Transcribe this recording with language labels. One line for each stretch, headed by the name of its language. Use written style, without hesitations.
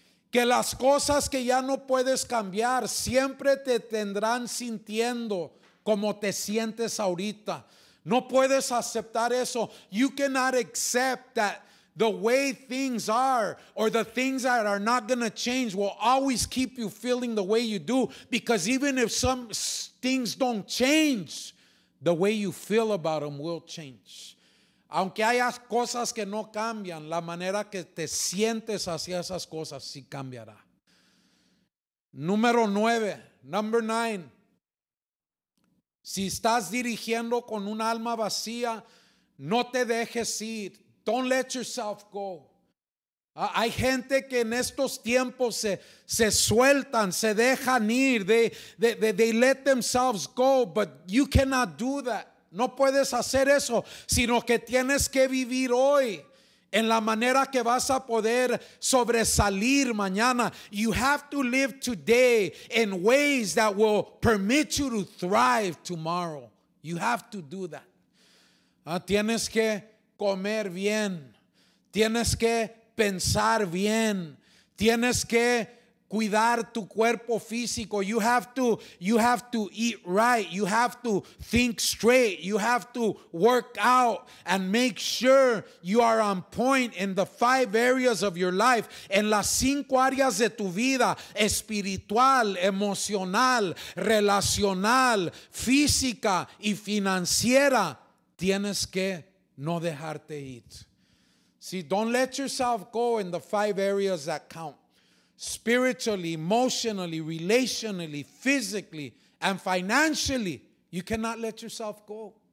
Spanish: Que las cosas que ya no puedes cambiar siempre te tendrán sintiendo como te sientes ahorita. No puedes aceptar eso.
English: You cannot accept that the way things are or the things that are not going to change will always keep you feeling the way you do. Because even if some things don't change, the way you feel about them will change.
Spanish: Aunque haya cosas que no cambian, la manera que te sientes hacia esas cosas sí cambiará. Número 9,
English: number 9.
Spanish: Si estás dirigiendo con un alma vacía, no te dejes ir.
English: Don't let yourself go.
Spanish: Hay gente que en estos tiempos se sueltan, se dejan ir.
English: They let themselves go, but you cannot do that.
Spanish: No puedes hacer eso, sino que tienes que vivir hoy en la manera que vas a poder sobresalir mañana.
English: You have to live today in ways that will permit you to thrive tomorrow. You have to do that.
Spanish: Tienes que comer bien. Tienes que pensar bien. Tienes que cuidar tu cuerpo físico.
English: You have to eat right. You have to think straight. You have to work out and make sure you are on point in the 5 areas of your life.
Spanish: En las 5 áreas de tu vida: espiritual, emocional, relacional, física y financiera. Tienes que no dejarte ir.
English: See, don't let yourself go in the 5 areas that count. Spiritually, emotionally, relationally, physically, and financially, you cannot let yourself go.